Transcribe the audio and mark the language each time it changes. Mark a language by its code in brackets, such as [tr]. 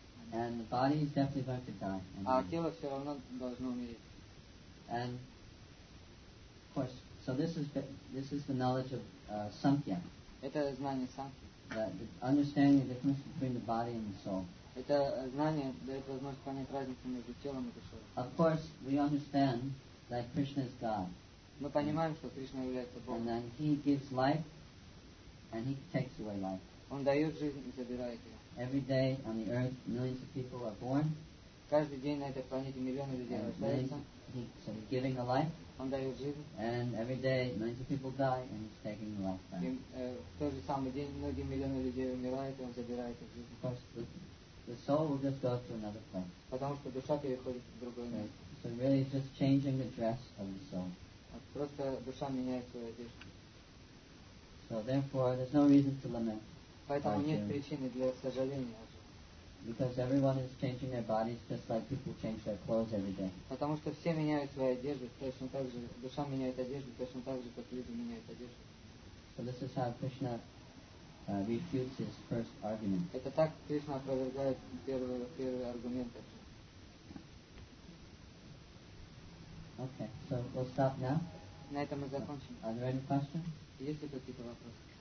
[en] And the body is definitely going to die. [ru] А тело все равно должно умереть. [en] And of course, so this is the knowledge of Sankhya. [ru] Это знание Санки. [en] The understanding the difference between the body and the soul. [ru] Это знание дает возможность понять разницу между телом и душой. [en] Of course, we understand that Krishna is God. [ru] Мы понимаем, что Кришна является Богом. [en] And then He gives life, and He takes away life. [ru] Он дает жизнь и забирает ее. [en] Every day on the earth, millions of people are born. [ru] Каждый день на этой планете миллионы людей рождаются. [en] So He's giving a life. [ru] Он дает жизнь. [en] And every day, millions of people die, and He's taking the life back. [ru] И в тот же самый день многие миллионы людей умирают, и Он забирает их жизнь. [en] Of course, the soul will just go to another place. [ru] Потому что душа переходит в другое место. [en] So really it's just changing the dress of the soul. [ru] Просто душа меняет свою одежду. [en] So therefore there's no reason to lament. [ru] Поэтому нет причины для сожаления. [en] Because everyone is changing their bodies just like people change their clothes every day. [ru] Потому что все меняют свою одежду точно так же. Душа меняет одежду точно так же, как люди меняют одежду. [en] So this is how Krishna refutes his first argument. [ru] Это так Кришна опровергает первый аргумент. [en] Okay, so we'll stop now. [ru] На этом мы закончим. [en] Are there any questions? [ru] Есть ли какие-то вопросы?